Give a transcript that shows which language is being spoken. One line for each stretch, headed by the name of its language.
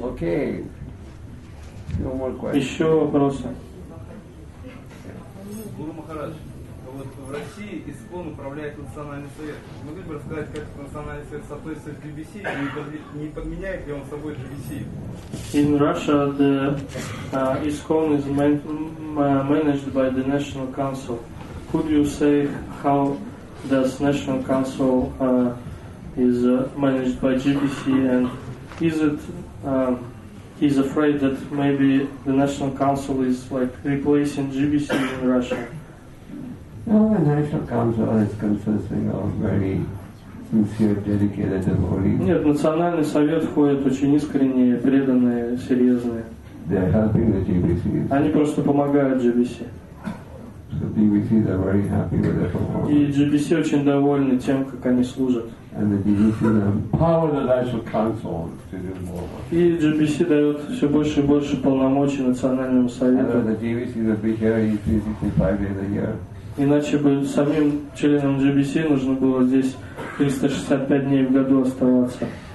English: Okay.
Russian: Еще вопросы? Гуру Махарадж, вот в России ИСККОН управляет Национальный совет. Могли бы рассказать, как этот Национальный совет соответствует BBC, не подменяет ли он собой BBC?
English: In Russia, the ISKCON is managed by the National Council. Could you say how does National Council is managed by GBC, and is it he's afraid that maybe the National Council is like replacing GBC in Russia? Well, the National Council is consisting of very sincere, dedicated devotees.
Russian: Нет, Национальный совет входит очень искренние, преданные, серьезные.
English: They're helping the GBC.
Russian: Они просто помогают GBC.
English: So GBC is very happy with their performance.
Russian: И GBC очень довольны тем, как они служат.
English: And the GBC empowers the National Council to do more.
Russian: И GBC дает все больше и больше полномочий Национальному совету.
English: And the GBC would be here 365 days a year.
Russian: Иначе бы самим членам GBC нужно было здесь 365 дней в году оставаться.